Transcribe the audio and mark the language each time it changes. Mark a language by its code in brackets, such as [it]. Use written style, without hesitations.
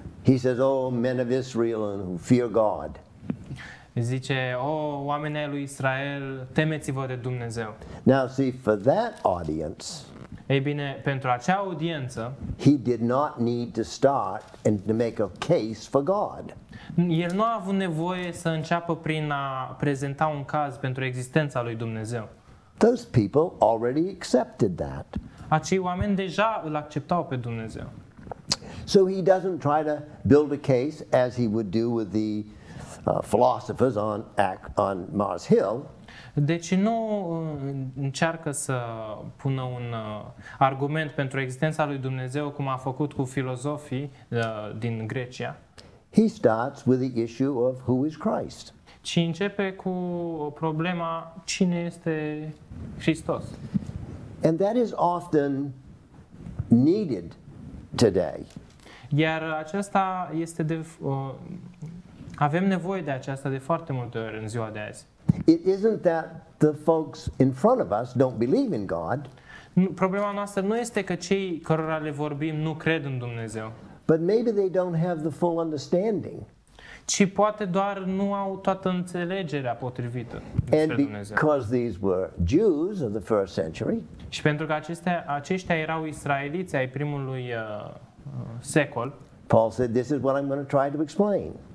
[en] He says, "Oh, men of Israel and who fear God." [ro] Zice, "Oh, oamenii lui Israel, temeți-vă de Dumnezeu." [en] Now, see, for that audience, [ro] ei bine, pentru acea audiență, [en] he did not need to start and to make a case for God. [ro] El nu a avut nevoie să înceapă prin a prezenta un caz pentru existența lui Dumnezeu. [en] Those people already accepted that. [ro] Acei oameni deja îl acceptau pe Dumnezeu. [en] So he doesn't try to build a case as he would do with the philosophers on Mars Hill. [ro] Deci nu încearcă să pună un argument pentru existența lui Dumnezeu cum a făcut cu filozofii din Grecia. [en] He starts with the issue of who is Christ. [ro] Ci începe cu problema cine este Hristos. [en] And that is often needed today. [ro] Iar aceasta este de avem nevoie de aceasta de foarte multe ori în ziua de azi. [en] It isn't that the folks in front of us don't believe in God. [ro] Problema noastră nu este că cei cărora le vorbim nu cred în Dumnezeu. [en] But maybe they don't have the full understanding. [ro] Ci poate doar nu au toată înțelegerea potrivită despre [en] and because [ro] Dumnezeu. [en] These were Jews of the first century, [ro] și pentru că aceștia erau israeliți ai primului secol, [en] Paul said, "This is what I'm going to try to explain."